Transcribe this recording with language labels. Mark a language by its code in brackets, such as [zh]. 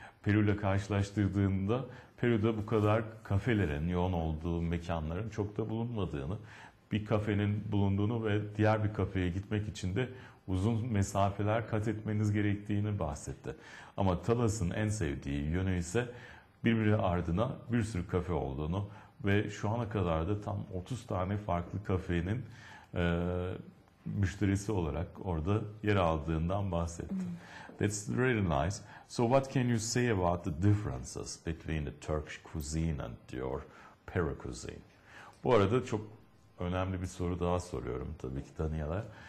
[tr] Peru'yla karşılaştırdığında Peru'da bu kadar kafelerin, yoğun olduğu mekanların çok da bulunmadığını, bir kafenin bulunduğunu ve diğer bir kafeye gitmek için de uzun mesafeler kat etmeniz gerektiğini bahsetti. Ama Talas'ın en sevdiği yönü ise birbiri ardına bir sürü kafe olduğunu ve şu ana kadar da tam 30 tane farklı kafenin müşterisi olarak orada yer aldığından bahsetti. [en] That's really nice. So what can you say about the differences between the Turkish cuisine and your Peru cuisine? [tr] Bu arada çok önemli bir soru daha soruyorum tabii ki Daniela.